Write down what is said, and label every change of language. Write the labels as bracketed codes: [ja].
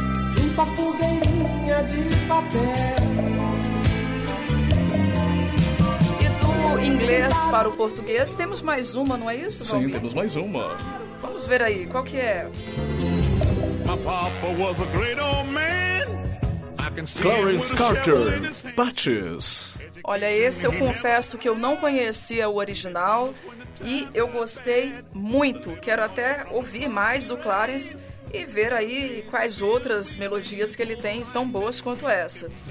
[pt] Junta fogueirinha de papel. E do inglês para o português, temos mais uma, não é isso, Valmir? Sim, temos mais uma. Vamos ver aí, qual que é? [en] My papa was a great old man. Clarence Carter, Patches. [pt] Olha, esse eu confesso que eu não conhecia o original e eu gostei muito. Quero até ouvir mais do Clarence e ver aí quais outras melodias que ele tem tão boas quanto essa.